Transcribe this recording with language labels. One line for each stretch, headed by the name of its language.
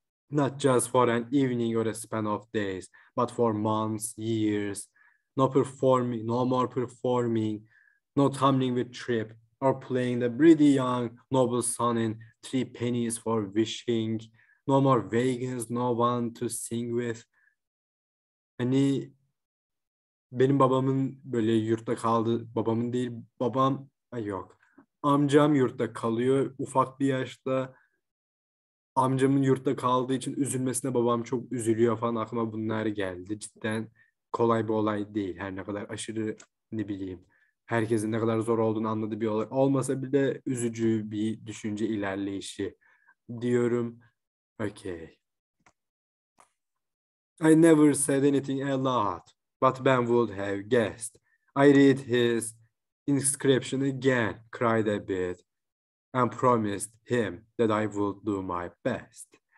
English: Not just for an evening or a span of days, but for months, years. No performing, no more performing, no tumbling with trip, or playing the pretty young noble son in three pennies for wishing. No more vagans, no one to sing with.
Turkish: Hani benim babamın böyle yurtta kaldı, babamın değil, babam, ay yok. Amcam yurtta kalıyor ufak bir yaşta. Amcamın yurtta kaldığı için üzülmesine babam çok üzülüyor falan, aklıma bunlar geldi. Cidden kolay bir olay değil, her ne kadar aşırı ne bileyim herkesin ne kadar zor olduğunu anladığı bir olay olmasa bile üzücü bir düşünce ilerleyişi diyorum. Okay.
English: I never said anything aloud, but Ben would have guessed. I read his inscription again, cried a bit, and promised him that I would do my best.